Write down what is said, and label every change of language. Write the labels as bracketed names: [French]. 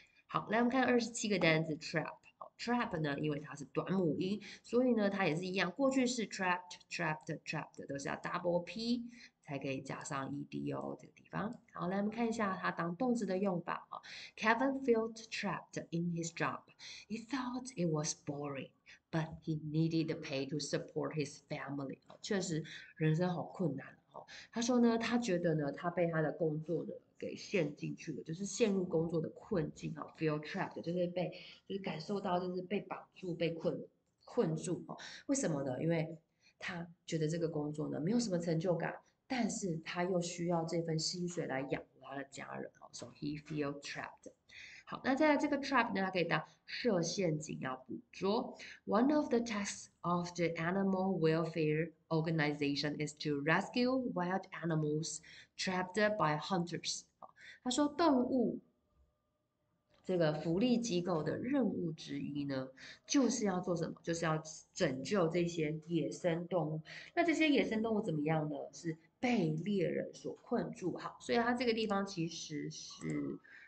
[Chinese] 好，来我们看27个单词，trap。trap 呢，因为它是短母音，所以呢，它也是一样，过去式 trapped，trapped，trapped 都是要 double p 才可以加上 ed 哦，这个地方。好，来我们看一下它当动词的用法哦。 [English] Kevin felt trapped in his job. He thought it was boring。 But he needed the pay to support his family。 [Chinese] 确实，人生好困难哦。他说呢，他觉得呢，他被他的工作呢给陷进去了，就是陷入工作的困境哦，feel trapped，就是感受到就是被绑住、被困住哦。为什么呢？因为他觉得这个工作呢没有什么成就感，但是他又需要这份薪水来养活他的家人哦， [English] so he feel trapped。 [Chinese] 好，那在这个 trap 呢，它可以当设陷阱，要捕捉。 [English] One of the tasks of the animal welfare organization is to rescue wild animals trapped by hunters。 [Chinese] 哦，他说动物这个福利机构的任务之一呢，就是要做什么？就是要拯救这些野生动物。那这些野生动物怎么样呢？是被猎人所困住。好，所以它这个地方其实是。